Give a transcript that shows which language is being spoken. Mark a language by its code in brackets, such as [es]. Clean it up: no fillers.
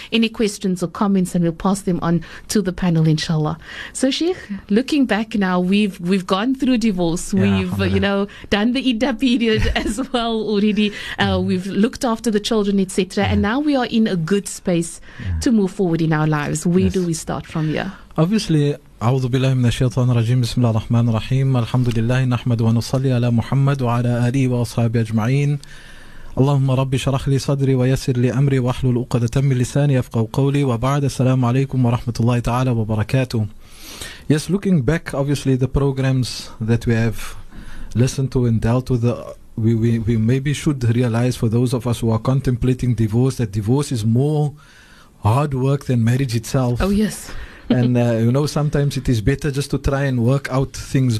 [en] Any questions or comments, and we'll pass them on to the panel, inshallah. So, Sheikh, looking back now, we've gone through divorce. Yeah, we've, you know, done the iddah period as well already. We've looked after the children, etc. Yeah. And now we are in a good space to move forward in our lives. Where do we start from here? [ar] Obviously, أعوذ بالله من الشيطان الرجيم بسم الله الرحمن الرحيم الحمد لله نحمد ونصلي على محمد وعلى آله وأصحابه أجمعين اللهم ربي شرح لي صدري ويسر لي أمري وأحلل عقدة من لساني يفقهوا قولي وبعد السلام عليكم ورحمة الله تعالى وبركاته. [en] Yes, looking back, obviously the programs that we have listened to and dealt with, we maybe should realize, for those of us who are contemplating divorce, that divorce is more hard work than marriage itself. Oh yes. And you know, sometimes it is better just to try and work out things.